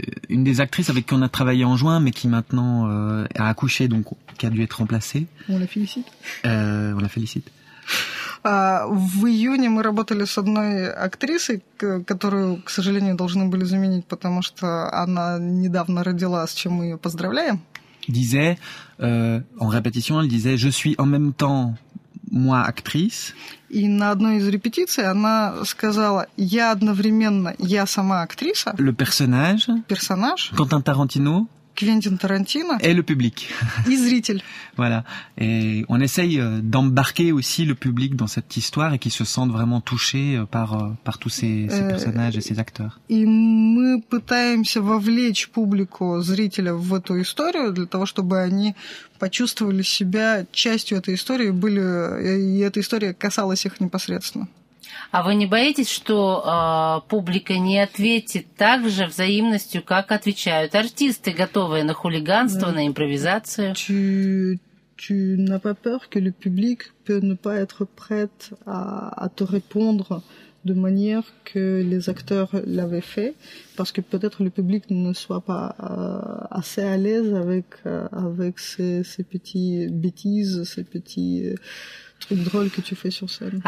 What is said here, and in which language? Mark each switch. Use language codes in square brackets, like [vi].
[fr] Une des actrices avec qui on a travaillé en juin, mais qui maintenant a accouché, donc qui a dû être remplacée. On la félicite. On la félicite. [ru] В июне мы работали с одной актрисой, которую, к сожалению, должны были заменить, потому что она недавно родила, с чем мы ее поздравляем. [fr] Disait, en répétition, elle disait, je suis en même temps moi actrice. [ru] И на одной из репетиций она сказала, я одновременно, я сама актриса. [fr] Le personnage. [ru] Персонаж. [fr] Quentin Tarantino. [ru] Квентин Тарантино. [fr] Et le public. [ru] И зритель. [fr] Voilà. Et on essaye d'embarquer aussi le public dans cette histoire et qu'il se sente vraiment touché par tous ces personnages et ces acteurs. [ru] И мы пытаемся вовлечь публику, зрителя в эту историю для того, чтобы они почувствовали себя частью этой истории, были, и эта история касалась их непосредственно. А вы не боитесь, что публика не ответит так же взаимностью, как отвечают артисты, готовые на хулиганство, на импровизацию? [fr] Tu n'as pas peur que le public peut ne pas être prêt à te répondre de manière que les acteurs l'avaient fait, parce que peut-être le public ne soit pas assez à l'aise avec ces petites bêtises, ces petits trucs drôles que tu fais sur scène.